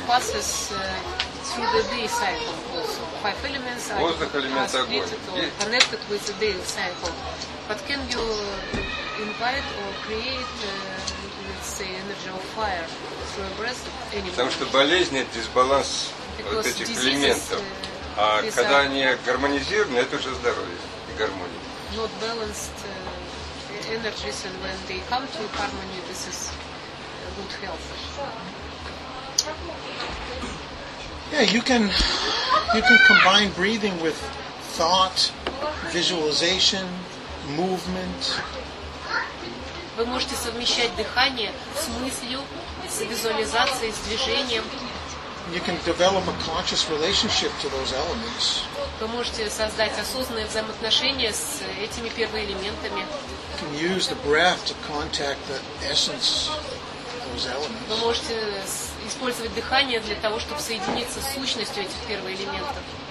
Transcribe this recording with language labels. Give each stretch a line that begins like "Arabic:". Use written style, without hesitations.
Russian: Воздух, элемент, огонь.
English: Invite or create, let's say, energy of fire through a breath of anybody.
Russian: Потому что болезнь – это дисбаланс вот этих diseases, элементов. А когда они гармонизированы, это уже здоровье и гармония.
English: Not balanced energies, and when they come to harmony, this is good health. Yeah, you can combine breathing with thought, visualization, movement.
Russian: Вы можете совмещать дыхание с мыслью, с визуализацией, с движением.
English: You can develop a conscious relationship to those elements.
Russian: Вы можете создать осознанное взаимоотношение с этими первоэлементами.
English: You can use the breath to contact the essence of those elements.
Russian: Вы можете использовать дыхание для того, чтобы соединиться с сущностью этих первоэлементов.